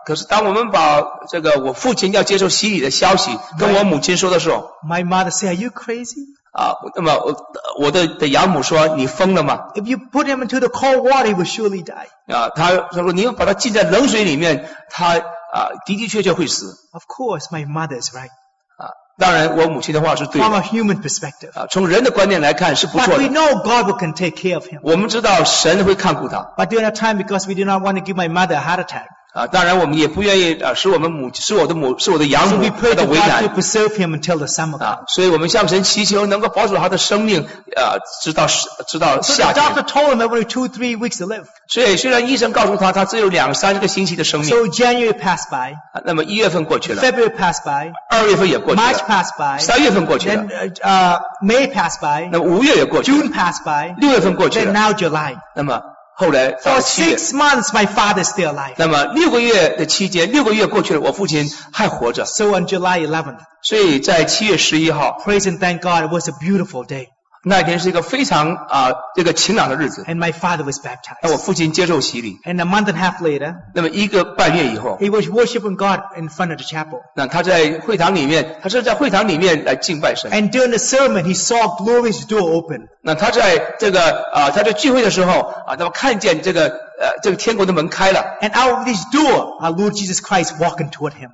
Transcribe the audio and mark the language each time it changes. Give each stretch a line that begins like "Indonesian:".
Chinese: 可是当我们把这个我父亲要接受洗礼的消息跟我母亲说的时候
English: ，My mother said, "Are you crazy?"
Chinese: 那么我的养母说你疯了吗
English: ？If you put him into the cold water, he will surely die.
Chinese: 他说你要把他浸在冷水里面，他的的确确会死。
English: Of course, my mother is right.
Chinese: 当然我母亲的话是对的。
English: From a human perspective.
Chinese: 从人的观点来看是不错的。
English: But we know God can take care of him.
Chinese: 我们知道神会看顾他。
English: But during that time, because we did not want to give my mother a heart attack.
Chinese: 当然我们也不愿意使我们母亲是我的养母她的为难。
English: So we pray to God to preserve him until the summer.
Chinese: 所以我们向神祈求能够保守他的生命直到夏天。
English: So the doctor told him only 2-3 weeks to live.
Chinese: 所以虽然医生告诉他只有两三个星期的生命。
English: So January passed by.
Chinese: 那么一月份过去了。
English: February passed by.
Chinese: 二月份也过去了。
English: March passed by.
Chinese: 三月份过去了。
English: May passed by.
Chinese: 那么五月也过去了。
English: June passed by.
Chinese: 六月份过去了。
English: Then now July.
Chinese: 那么后来
English: For 6 months, my father is still alive.
Chinese: 那么六个月的期间，六个月过去了，我父亲还活着。
English: So on July 11th.
Chinese: 所以在7月11号。
English: Praise and thank God, it was a beautiful day.
Chinese: 那天是一个非常这个晴朗的日子。
English: And my father was baptized.
Chinese: 那我父亲接受洗礼。
English: And a month and a half later.
Chinese: 那么一个半月以后。
English: He was worshiping God in front of the chapel.
Chinese: 那他在会堂里面，他是在会堂里面来敬拜神。
English: And during the sermon, he saw glory's door open.
Chinese: 那他在这个他在聚会的时候那么看见这个天国的门开了。
English: And out of this door, our Lord Jesus Christ walking toward him.